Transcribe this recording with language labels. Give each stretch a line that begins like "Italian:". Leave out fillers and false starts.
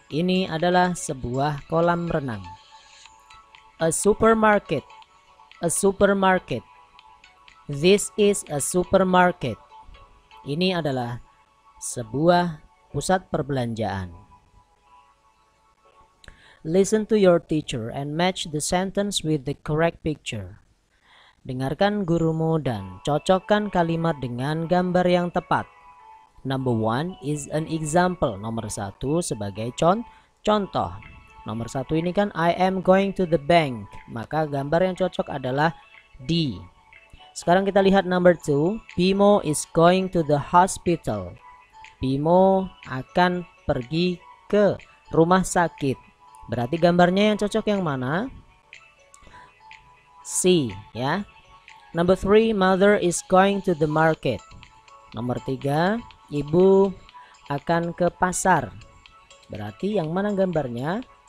Indonesian: Ini adalah sebuah kolam renang.
English: A supermarket. A supermarket. This is a supermarket.
Indonesian: Ini adalah sebuah pusat perbelanjaan.
English: Listen to your teacher and match the sentence with the correct picture.
Indonesian: Dengarkan gurumu dan cocokkan kalimat dengan gambar yang tepat.
English: Number one is an example.
Indonesian: Nomor satu sebagai contoh. Nomor satu ini kan
English: I am going to the bank.
Indonesian: Maka gambar yang cocok adalah D. Sekarang kita lihat
English: number two. Bimo is going to the hospital.
Indonesian: Bimo akan pergi ke rumah sakit. Berarti gambarnya yang cocok yang mana? C, ya.
English: Number three, mother is going to the market.
Indonesian: Nomor tiga, ibu akan ke pasar. Berarti yang mana gambarnya?